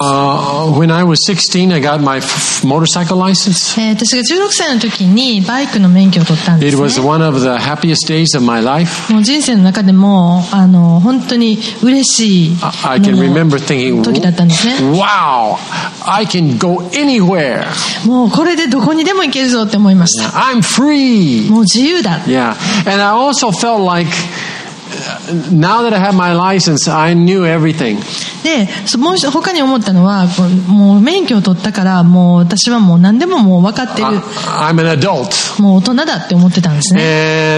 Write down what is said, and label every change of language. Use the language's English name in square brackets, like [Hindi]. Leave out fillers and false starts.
[English] when I was 16, I got my motorcycle license. [Japanese] 私が16歳の時にバイクの免許を取ったんですね。 [English] It was one of the happiest days of my life. [Japanese] もう人生の中でも、本当に嬉しい [English] I can remember thinking, [Japanese] 時だったんですね。 [English] Wow! I can go anywhere! [Japanese] もうこれでどこにでも行けるぞって思いました。 [English] Yeah. I'm free! [Japanese] もう自由だ。 [English] Yeah. And I also felt like,Now that I have my license, I knew everything. [Japanese] で、もう他に思ったのは、もう免許を取ったから、もう私はもう何でももう分かってる。 [English] I'm an adult. [Japanese] もう大人だって思ってたんですね。